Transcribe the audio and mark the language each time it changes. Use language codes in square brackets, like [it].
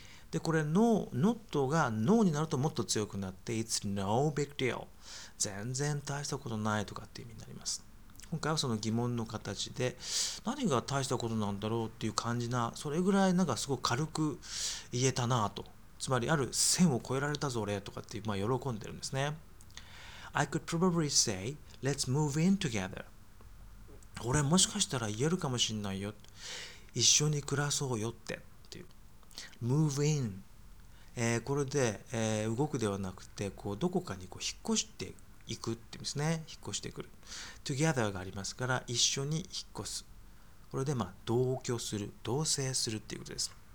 [ja] で、これ NO、NOT が NO になるともっと強くなって、 [en] It's no big deal。 [ja] 全然大したことないとかっていう意味になります。今回はその疑問の形で、何が大したことなんだろうっていう感じな、それぐらいなんかすごく軽く言えたなと。つまりある線を越えられたぞ俺とかって、まあ喜んでるんですね。 [en] I could probably say, let's move in together. [ja] 俺もしかしたら言えるかもしれないよ。一緒に暮らそうよってっていう。 [en] move in。 [ja] これで、動くではなくて、こうどこかにこう引っ越して行くって言うんですね。引っ越してくる。 together がありますから一緒に引っ越す。これでまあ同居する、同棲するっていうことです。